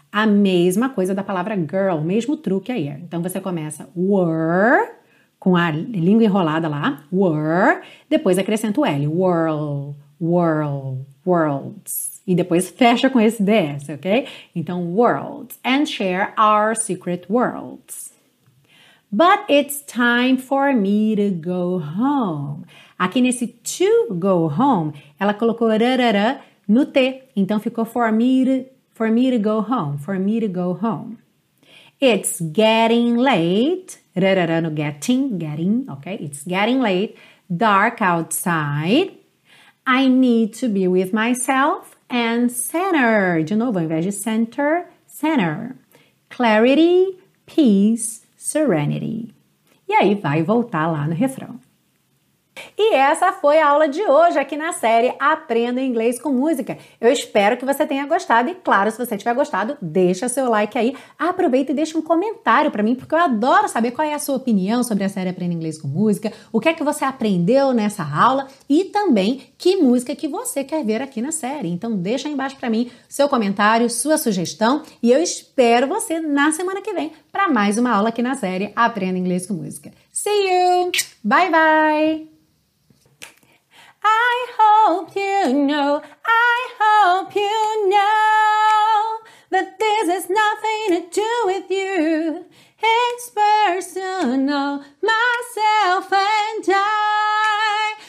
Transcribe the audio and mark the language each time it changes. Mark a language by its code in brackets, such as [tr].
[pt] A mesma coisa da palavra girl, o mesmo truque aí. Então você começa were, com a língua enrolada lá, were, depois acrescenta o L, world, world, worlds. E depois fecha com esse DS, ok? Então, [en] worlds, and share our secret worlds. But it's time for me to go home. [pt] Aqui nesse [en] to go home, [pt] ela colocou rarara no T. Então, ficou [en] for me to go home. It's getting late. Rarara no getting, ok? It's getting late. Dark outside. I need to be with myself. And center, [pt] de novo, ao invés de center, center. [en] Clarity, peace, serenity. [pt] E aí vai voltar lá no refrão. E essa foi a aula de hoje aqui na série Aprenda Inglês com Música. Eu espero que você tenha gostado e, claro, se você tiver gostado, deixa seu like aí. Aproveita e deixa um comentário para mim, porque eu adoro saber qual é a sua opinião sobre a série Aprenda Inglês com Música, o que é que você aprendeu nessa aula e também que música que você quer ver aqui na série. Então, deixa aí embaixo para mim seu comentário, sua sugestão e eu espero você na semana que vem para mais uma aula aqui na série Aprenda Inglês com Música. [en] See you! Bye, bye! I hope you know, I hope you know that this has nothing to do with you. It's personal, myself and I.